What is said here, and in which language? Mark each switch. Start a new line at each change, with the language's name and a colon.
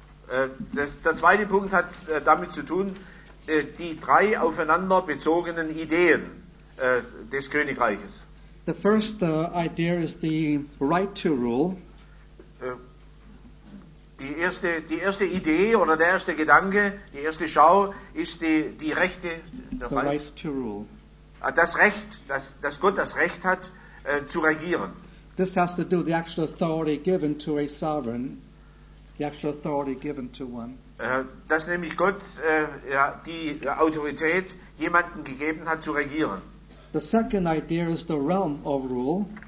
German: Der zweite Punkt hat damit zu tun, die drei aufeinander bezogenen Ideen des Königreiches.
English: The first idea is the right to rule.
German: Die erste Idee oder der erste Gedanke, die erste Schau ist die Rechte.
English: The right to rule.
German: Das Recht, dass Gott das Recht hat, zu regieren.
English: This has to do with the actual authority given to a sovereign. The actual authority given to one.
German: Dass nämlich Gott die Autorität jemanden gegeben hat, zu regieren.
English: The second idea is the realm of rule.